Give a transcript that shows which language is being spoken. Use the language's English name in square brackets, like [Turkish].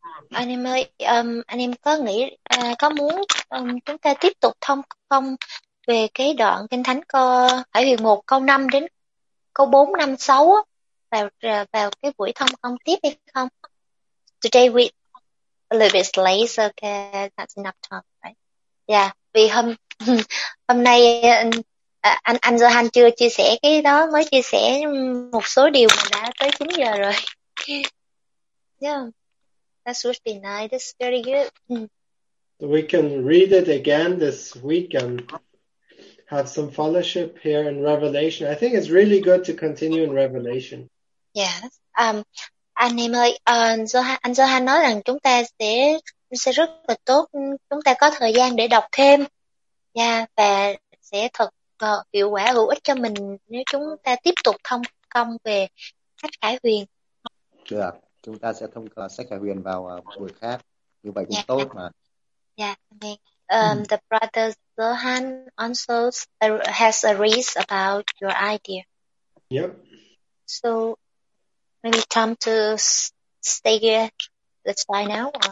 [Vietnamese] Anh em có nghĩ có muốn chúng ta tiếp tục thông không về cái đoạn Kinh Thánh Khải Huyền 1 câu 5 đến câu 4, 5, 6 vào cái buổi thông không tiếp hay không? [English] Today we a little bit late, so okay, that's enough time, right? [Vietnamese] Yeah, vì hôm nay anh Johan chưa chia sẻ cái đó, mới chia sẻ một số điều mà đã tới 9 giờ rồi. [English] Yeah, that would be nice. That's very good. So we can read it again this week and have some fellowship here in Revelation. I think it's really good to continue in Revelation. Yes. [Vietnamese] Anh em ơi, anh Johan nói rằng chúng ta sẽ rất là tốt. Chúng ta có thời gian để đọc thêm. Yeah, và sẽ thật hiệu quả hữu ích cho mình nếu chúng ta tiếp tục thông công về sách Khải Huyền. Dạ, chúng ta sẽ thông qua sách Khải Huyền vào buổi khác. Như vậy cũng tốt mà. Dạ, amen. [English] The brother Johan also has a read about your idea. Yep. So maybe time to stay here. Let's try now.